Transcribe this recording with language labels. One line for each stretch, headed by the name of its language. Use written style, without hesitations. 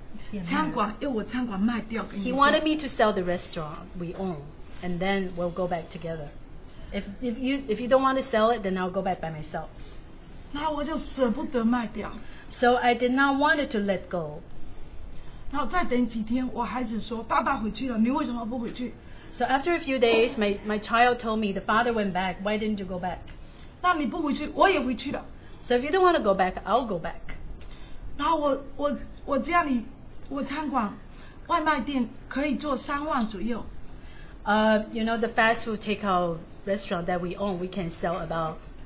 English: He wanted me to sell the restaurant we own, and then we'll go back together. If you don't want to sell it, then I'll go back by myself. So I did not want it to let go.
Chinese: 然后再等几天, 我孩子说, 爸爸回去了,
English: so after a few days, my child told me, the father went back, why didn't you go back?
Chinese: 那你不回去,
English: so if you don't want to go back, I'll go back.
Chinese: 然后我家里, 我餐馆, 外卖店,
English: you know, the fast food takeout restaurant that we own, we can sell about